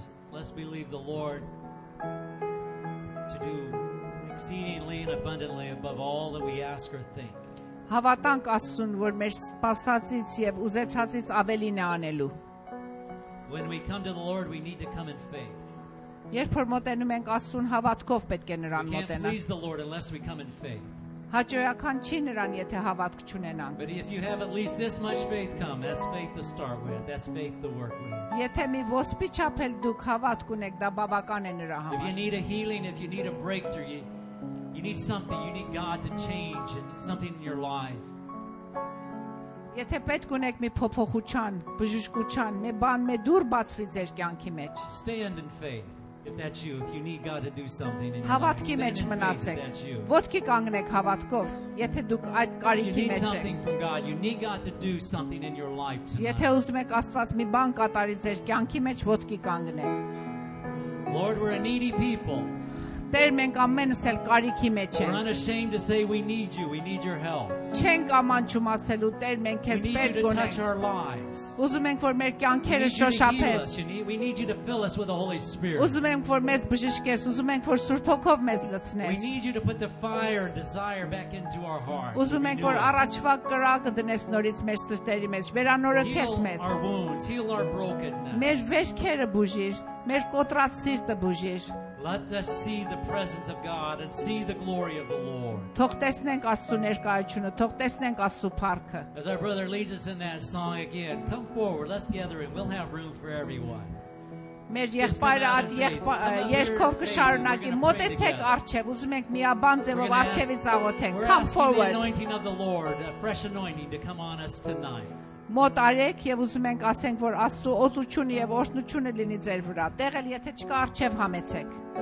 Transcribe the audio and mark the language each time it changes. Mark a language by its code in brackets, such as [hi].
[en] Let's believe the Lord to do exceedingly and abundantly above all that we ask or think. [hy] Հավատանք Աստծուն, որ մեր սպասածից եւ ուզեցածից ավելին է անելու. [en] When we come to the Lord, we need to come in faith. [hy] Երբ որ մոտենում ենք Աստծուն, հավատքով պետք է նրան մոտենանք. [en] We can't please the Lord unless we come in faith. [hy] Հաճոյական չի նրան, եթե հավատք չունենանք. [en] But if you have at least this much faith, come. That's faith to start with. That's faith to work with. [hy] Եթե մի ոսպի չափ էլ դուք հավատք ունեք, դա բավական է նրա համար. [en] If you need a healing, if you need a breakthrough, you need something, you need God to change something in your life. [hy] Եթե պետք ունեք մի փոփոխության, բժշկության, մի բան, մի դուր բացվի ձեր կյանքի մեջ. [en] Stand in faith. If that's you, if you need God to do something in your [hy] հավատքի մեջ մնացեք, ոտքի կանգնեք հավատքով, եթե դուք այդ կարիքի մեջ եք. [en] You need something from God. You need God to do something in your life tonight. [hy] Եթե ուզում եք Աստված մի բան կատարի ձեր կյանքի մեջ, ոտքի կանգնեք. [en] Lord, we're a needy people. [hy] Տեր, մենք ամենս էլ կարիքի մեջ ենք. [en] We're unashamed to say we need you. We need your help. [hy] Չենք ամաչում ասելու, Տեր, մենք քեզ պետք ունենք. Ուզում ենք, որ մեր կյանքերը շոշափես. [en] We need you to fill us with the Holy Spirit. [hy] Ուզում ենք, որ մեզ բժշկես, ուզում ենք, որ Սուրբ Հոգով մեզ լցնես. [en] We need you to put the fire and desire back into our hearts. [hy] Ուզում ենք, որ առաջվա կրակը դնես նորից մեր սրտերի մեջ, վերանորոգես մեզ. [en] Heal our wounds, heal our brokenness. [hy] Մեր վեճքերը բուժիր, մեր կոտրած սիրտը բուժիր. [en] Let us see the presence of God and see the glory of the Lord. [hy] Թող տեսնենք Աստծո ներկայությունը, թող տեսնենք Աստծո փառքը. [en] As our brother leads us in that song again, come forward, let's gather in. We'll have room for everyone. [hy] Մեր եղբայրը այդ երգով կշարունակի, մոտեցեք առջև, ուզում ենք միաբան ձևով առջևի ծաղոթենք. [en] Come forward. The anointing of the Lord, a fresh anointing to come on us tonight. [hy] Մոտ արեք եւ ուզում ենք ասենք, որ Աստծո օծությունը եւ օրհնությունը լինի ձեր վրա։ Տեղել եթե չկա արչեւ համեցեք։